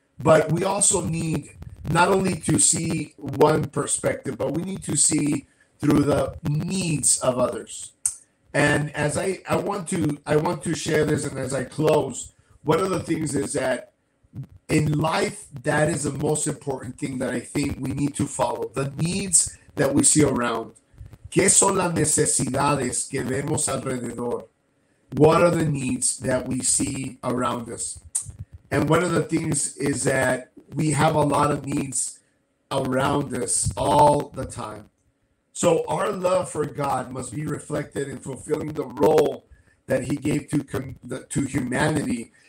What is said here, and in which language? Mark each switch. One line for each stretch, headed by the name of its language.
English: But we also need not only to see one perspective, but we need to see through the needs of others. And as I want to share this, and as I close, one of the things is that in life, that is the most important thing that I think we need to follow. The needs that we see around.
Spanish: ¿Qué son las necesidades que vemos alrededor?
English: What are the needs that we see around us? And one of the things is that we have a lot of needs around us all the time. So our love for God must be reflected in fulfilling the role that he gave to humanity.